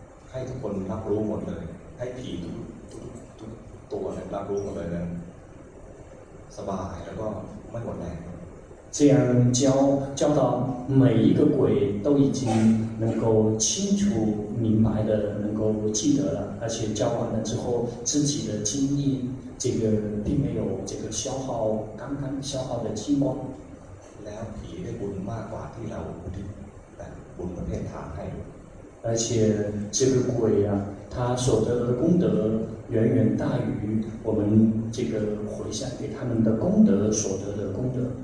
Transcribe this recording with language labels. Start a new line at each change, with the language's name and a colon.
Thai: ให้ทุกคนรับรู้หมดเลยให้ผีทุกตัวเนี่ยรับรู้หมดเลยนะสบายแล้วก็ไม่หมดแรง
Chinese: 这样教到每一个鬼都已经能够清楚明白的能够记得了，而且教完了之后，自己的精力这个并没有这个消耗刚刚消耗的精光。
Thai: แล้วผีได้บุญมากกว่าที่เราบุญแต่บุญประเภทฐานให้
Chinese: 而且这个鬼啊，他所得的功德远远大于我们这个回向给他们的功德所得的功德。